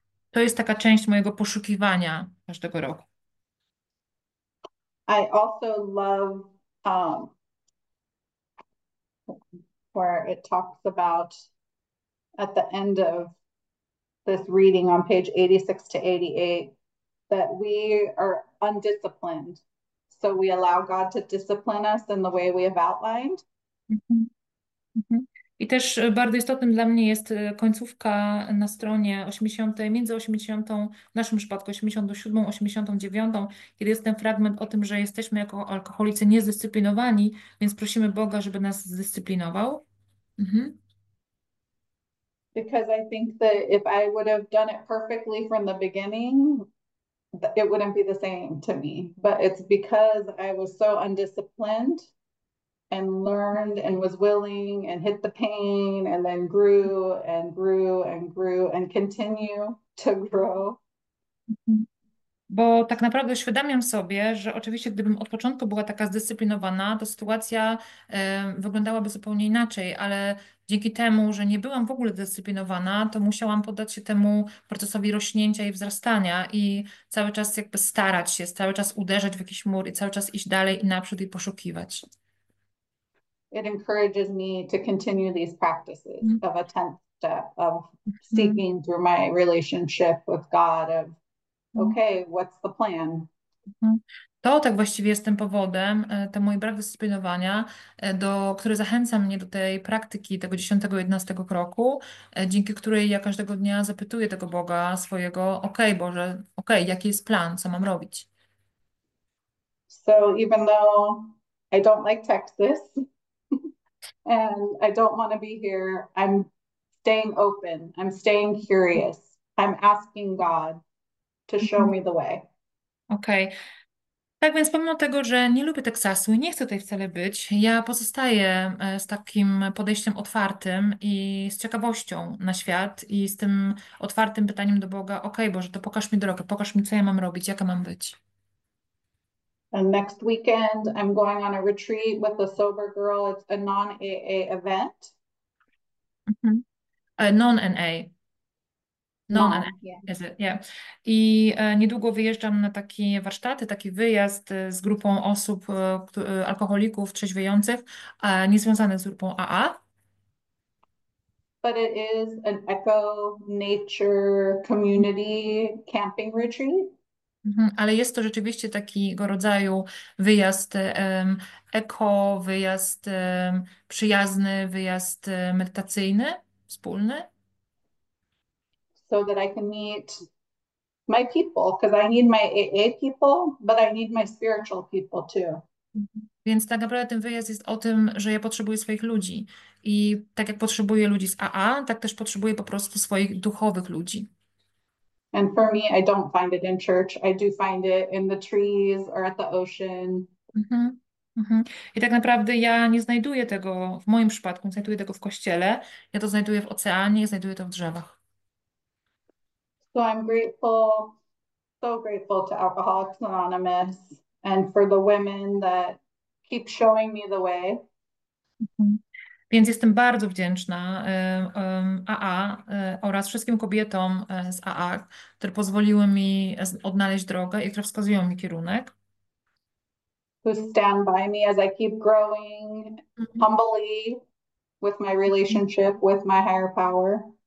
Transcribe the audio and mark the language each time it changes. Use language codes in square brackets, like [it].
[pl] To jest taka część mojego poszukiwania każdego roku. [en] I also love where it talks about at the end of this reading on page 86 to 88 that we are undisciplined. So we allow God to discipline us in the way we have outlined. [pl] I też bardzo istotnym dla mnie jest końcówka na stronie 80, między 80, w naszym przypadku 87, 89, kiedy jest ten fragment o tym, że jesteśmy jako alkoholicy niezdyscyplinowani, więc prosimy Boga, żeby nas zdyscyplinował. [en] Because I think that if I would have done it perfectly from the beginning, it wouldn't be the same to me. But it's because I was so undisciplined and learned and was willing and hit the pain and then grew and grew and grew and continue to grow. [pl] Bo tak naprawdę uświadamiam sobie, że oczywiście gdybym od początku była taka zdyscyplinowana, to sytuacja wyglądałaby zupełnie inaczej, ale dzięki temu, że nie byłam w ogóle zdyscyplinowana, to musiałam poddać się temu procesowi rośnięcia i wzrastania i cały czas jakby starać się, cały czas uderzać w jakiś mur i cały czas iść dalej i naprzód i poszukiwać. [en] It encourages me to continue these practices of a tenth step of seeking through my relationship with God of, okay, what's the plan? [pl] To tak właściwie jest tym powodem, ten mój brak dyscyplinowania, który zachęca mnie do tej praktyki, tego 10-11 kroku, dzięki której ja każdego dnia zapytuję tego Boga swojego, okej, Boże, okej, jaki jest plan, co mam robić? [en] So even though I don't like Texas, and I don't want to be here. I'm staying open. I'm staying curious. I'm asking God to show me the way. [pl] Okej. Okay. Tak więc pomimo tego, że nie lubię Teksasu i nie chcę tutaj wcale być, ja pozostaję z takim podejściem otwartym i z ciekawością na świat i z tym otwartym pytaniem do Boga, okej, Boże, to pokaż mi drogę, pokaż mi, co ja mam robić, jaka mam być. [en] And next weekend, I'm going on a retreat with a sober girl. It's a non-AA event. Non-NA. Non-NA. Non, yeah. Is it? Yeah. [pl] I niedługo wyjeżdżam na takie warsztaty, taki wyjazd z grupą osób, alkoholików, trzeźwiejących, niezwiązanych z grupą AA. [en] But it is an eco nature community camping retreat. [pl] Ale jest to rzeczywiście takiego rodzaju wyjazd eko, wyjazd przyjazny, wyjazd medytacyjny, wspólny. [en] So that I can meet my people, because I need my AA people, but I need my spiritual people too. [pl] Więc tak naprawdę ten wyjazd jest o tym, że ja potrzebuję swoich ludzi. I tak jak potrzebuję ludzi z AA, tak też potrzebuję po prostu swoich duchowych ludzi. [en] And for me, I don't find it in church. I do find it in the trees or at the ocean. [pl] I tak naprawdę ja nie znajduję tego, w moim przypadku, nie znajduję tego w kościele, ja to znajduję w oceanie, znajduję to w drzewach. [en] So I'm grateful, so grateful to Alcoholics Anonymous and for the women that keep showing me the way. [pl] Więc jestem bardzo wdzięczna AA oraz wszystkim kobietom z AA, które pozwoliły mi odnaleźć drogę i które wskazują mi kierunek. [en] Who stand by me as I keep growing humbly with my relationship with my higher power.